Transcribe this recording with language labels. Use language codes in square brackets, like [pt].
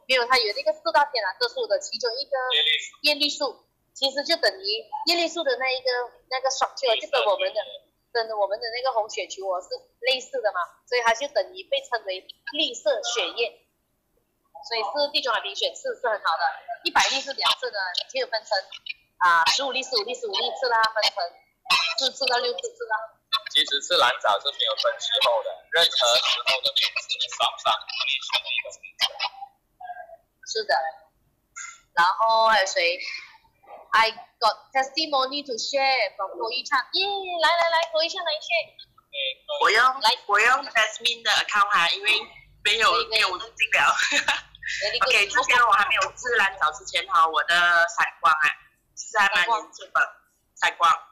[zh] 没有，它有那个四大天然色素的其中一个叶绿素，其实就等于叶绿素的那一个那个structure就跟我们的跟我们的那个红血球哦是类似的嘛，所以它就等于被称为绿色血液，所以是地中海贫血是很好的，一百粒是两次的，你可以分成啊十五粒、十五粒、十五粒次啦，分成四次到六次次啦。其实吃蓝藻是没有分时候的，任何时候都可以吃，双双可以吃一个品种。是的，然后还有谁？ [en] I got testimony to share from Koi Chan. [zh] Yeah, 来来来 ，Koi Chan 来一些。我用来，我用 Jasmine 的 account 哈，因为没有没有入境了。 OK， 之前我还没有吃蓝藻之前哈，我的散光啊是还蛮严重的，散光。